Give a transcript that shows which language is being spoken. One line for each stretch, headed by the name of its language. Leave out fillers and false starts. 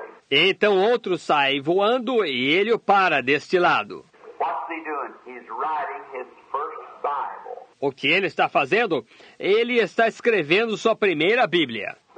Portuguese: Então outro sai voando e ele o para deste lado.
English: What's he doing? He's is writing his first Bible.
Portuguese: O que ele está fazendo? Ele está escrevendo sua primeira Bíblia.